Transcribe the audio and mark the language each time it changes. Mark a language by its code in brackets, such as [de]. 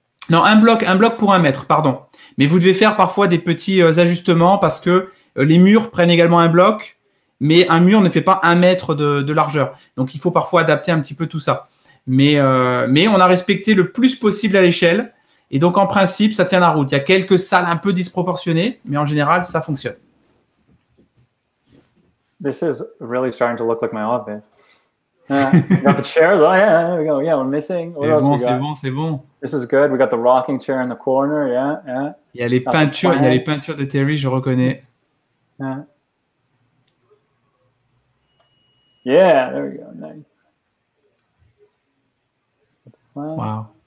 [fr] Non, un bloc pour 1 mètre, pardon. Mais vous devez faire parfois des petits ajustements parce que les murs prennent également 1 bloc, mais un mur ne fait pas 1 mètre de largeur. Donc, il faut parfois adapter un petit peu tout ça. Mais on a respecté le plus possible à l'échelle. Et donc, en principe, ça tient la route. Il y a quelques salles un peu disproportionnées, mais en général, ça fonctionne. [en] This is really starting to look like my office. Got the chairs. Oh, yeah, there we go. Yeah, we're missing. [fr] C'est bon. [en] This is good. We got the rocking chair in the corner. Yeah. [fr] Il y a les peintures de Terry, je reconnais. [en] Yeah. Yeah, there we go. Nice. Wow.